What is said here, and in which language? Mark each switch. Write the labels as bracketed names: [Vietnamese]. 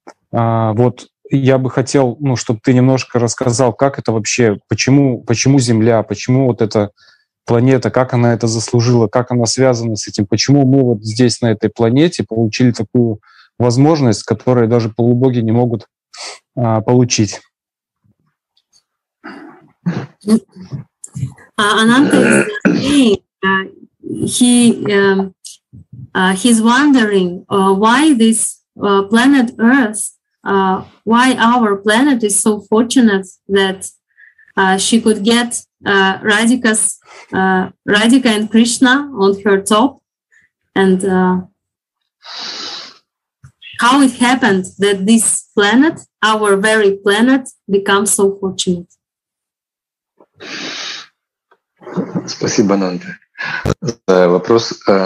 [Russian] Вот я бы хотел, ну, чтобы ты немножко рассказал, как это вообще, почему Земля, почему вот эта планета, как она это заслужила, как она связана с этим, почему мы вот здесь, на этой планете, получили такую возможность, которую даже полубоги не могут получить. [English] Ананта is saying he's wondering why this planet Earth, why our planet is so fortunate that she could get Radhika and Krishna on her top, and how it happened that this planet, our very planet, becomes so fortunate. [Russian] Спасибо, Ананта, за вопрос.